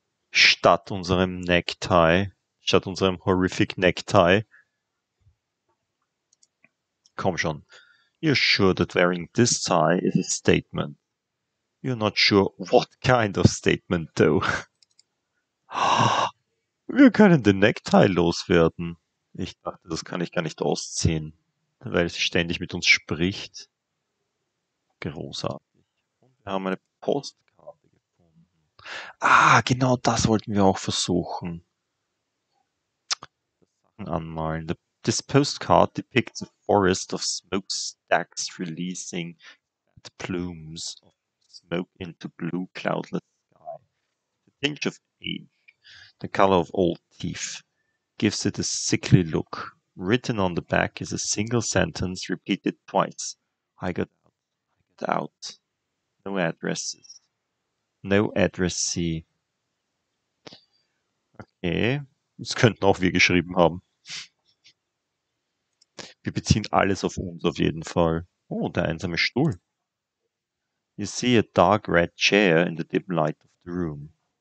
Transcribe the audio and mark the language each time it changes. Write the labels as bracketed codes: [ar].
[de] Statt unserem Necktie. Statt unserem [en] horrific Necktie. [de] Komm schon. [en] You're sure that wearing this tie is a statement. You're not sure what kind of statement, though. [de] Wir können den Necktie loswerden. Ich dachte, das kann ich gar nicht ausziehen, weil sie ständig mit uns spricht. Großartig. Und wir haben eine Postkarte gefunden. Ah, genau das wollten wir auch versuchen. Anmalen. [en] This postcard depicts a forest of smokestacks releasing fat plumes. Smoke into blue cloudless sky. The tinge of age, the color of old teeth, gives it a sickly look. Written on the back is a single sentence repeated twice. I got out. No addresses. No addressee. [de] Okay, das könnten auch wir geschrieben haben. Wir beziehen alles auf uns auf jeden Fall. Oh, der einsame Stuhl. [en] You see a dark red chair in the dim light of the room.